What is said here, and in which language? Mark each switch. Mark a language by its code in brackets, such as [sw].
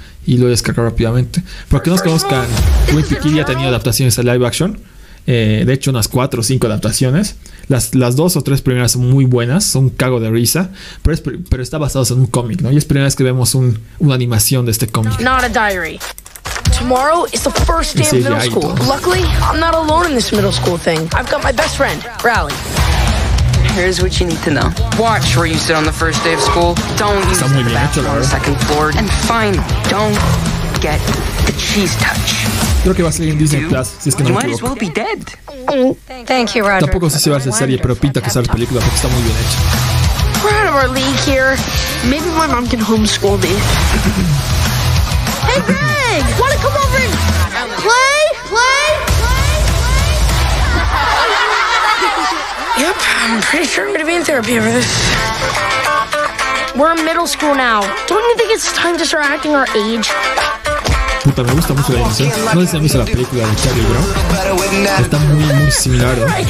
[es] Y lo he descargado rápidamente. Para que nos conozcan, Wimpy Kid ya ha tenido adaptaciones a live action. De hecho, unas 4 o 5 adaptaciones. Las dos o tres primeras son muy buenas. Son un cago de risa. Pero está basado en un cómic, ¿no? Y es la primera vez que vemos una animación de este cómic. [en] No, not a diary. Tomorrow is the first day of middle school. Luckily, I'm not alone in this middle school thing. I've got my best friend, Rally. Here's what you need to know. Watch where you sit on the first day of school. Don't use the bathroom on the second floor. And finally, don't get the cheese touch. [es] Creo que va a salir en Disney Plus, si es que no me equivoco. [en] Thank you, Roger. [es] Tampoco sé si va a ser serie, pero pinta que sale película porque está muy bien hecho. [en] We're out of our league here. Maybe my mom can homeschool me. Hey Greg, wanna come over and play? Yep, I'm pretty sure I'm gonna be in therapy for this. We're in middle school now. Don't you think it's time to start acting our age? [es] Puta, me gusta mucho la edición. No sé si han visto la película de Charlie Brown. Está muy, muy similar, ¿no?